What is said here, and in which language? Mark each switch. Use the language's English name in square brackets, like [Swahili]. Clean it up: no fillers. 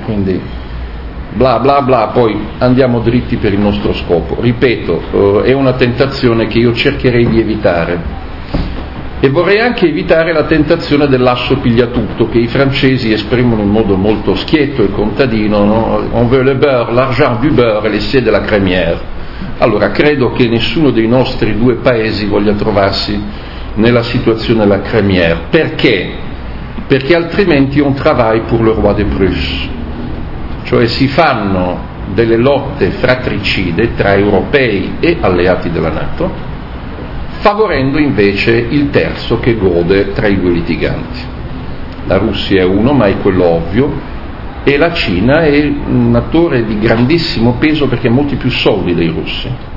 [Italian] Quindi bla bla bla, poi andiamo dritti per il nostro scopo. Ripeto, è una tentazione che io cercherei di evitare. E vorrei anche evitare la tentazione dell'asso pigliatutto, che i francesi esprimono in modo molto schietto e contadino, no? [French] On veut le beurre, l'argent du beurre, l'essai de la crémière. [Italian] Allora, credo che nessuno dei nostri due paesi voglia trovarsi nella situazione della crémière. Perché? Perché altrimenti [French] on travaille pour le roi de Prusse. [Italian] Cioè si fanno delle lotte fratricide tra europei e alleati della NATO, favorendo invece il terzo che gode tra i due litiganti. La Russia è uno, ma è quello ovvio, e la Cina è un attore di grandissimo peso perché ha molti più soldi dei russi.